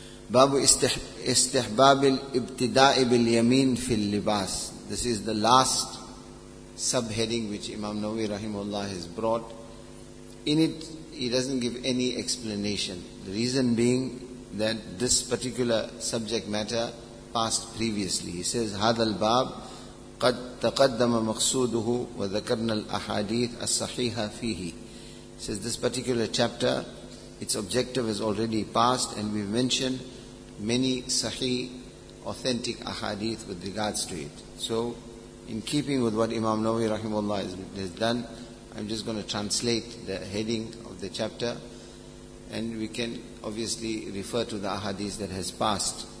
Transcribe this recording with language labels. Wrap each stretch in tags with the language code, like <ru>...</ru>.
<ar>Babu istihbab al-ibtida'i bil-yameen fil-libas.</ar> <en>This is the last subheading which Imam Nawawi rahimahullah has brought. In it, he doesn't give any explanation. The reason being that this particular subject matter passed previously.</en> <ar>He says, هذا الباب قد تقدم مقصوده وذكرنا الأحاديث الصحيحة فيه.</ar> <en>Says this particular chapter, its objective is already passed, and we've mentioned many sahih, authentic ahadith with regards to it. So, in keeping with what Imam Nawawi rahimahullah has done, I'm just going to translate the heading of the chapter, and we can obviously refer to the ahadith that has passed.</en>